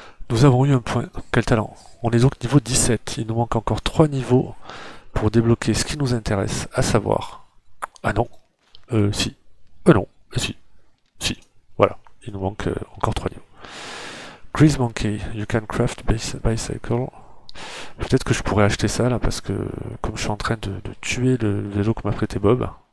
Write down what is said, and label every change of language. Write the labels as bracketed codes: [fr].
[fr] Nous avons eu un point. Quel talent! On est donc niveau 17. Il nous manque encore 3 niveaux pour débloquer ce qui nous intéresse, à savoir. Ah non. Si. Non. Si. Si. Voilà. Il nous manque encore 3 niveaux. [en] Grease Monkey, you can craft bicycle. [fr] Peut-être que je pourrais acheter ça là parce que comme je suis en train de tuer le vélo que m'a prêté Bob.